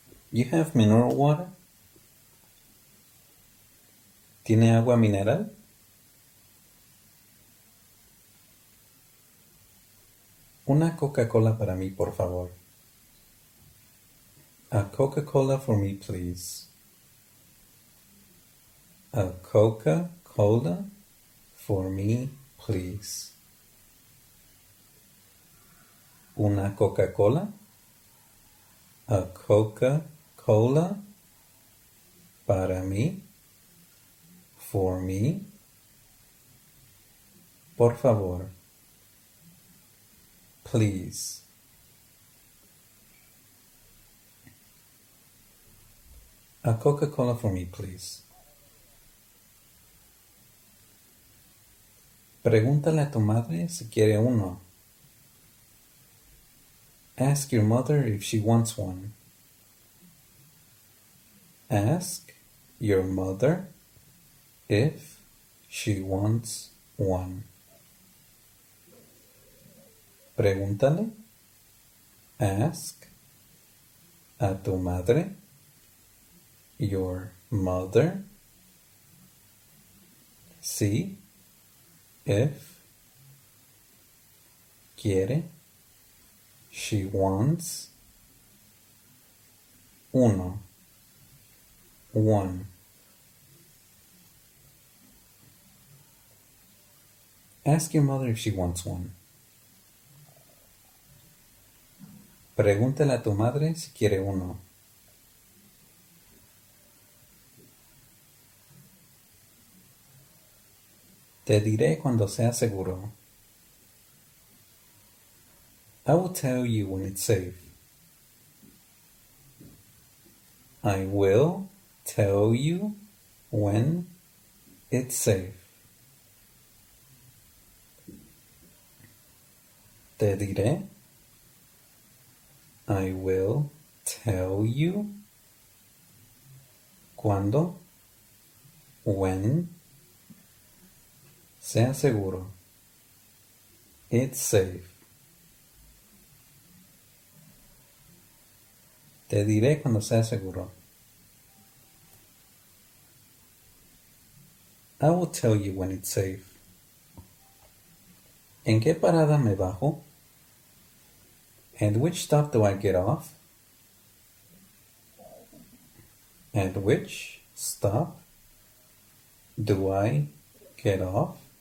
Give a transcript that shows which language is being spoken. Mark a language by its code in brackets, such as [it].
[en] You have mineral water. [es] Tiene agua mineral. Una Coca-Cola para mí, por favor. [en] A Coca-Cola for me, please. A Coca-Cola for me, please. [es] Una Coca-Cola. A Coca-Cola para mí. [en] For me. [es] Por favor. [en] Please. A Coca-Cola for me, please. [es] Pregúntale a tu madre si quiere uno. [en] Ask your mother if she wants one. Ask your mother if she wants one. [es] Pregúntale. [en] Ask [es] a tu madre. [en] Your mother, see if [es] quiere, [en] she wants [es] uno, [en] one. Ask your mother if she wants one. [es] Pregúntale a tu madre si quiere uno. Te diré cuando sea seguro. [en] I will tell you when it's safe. I will tell you when it's safe. [es] Te diré. [en] I will tell you [es] cuando, [en] when. [es] Sea seguro. [en] It's safe. [es] Te diré cuando sea seguro. [en] I will tell you when it's safe. [es] ¿En qué parada me bajo? [en] At which stop do I get off? At which stop do I get off?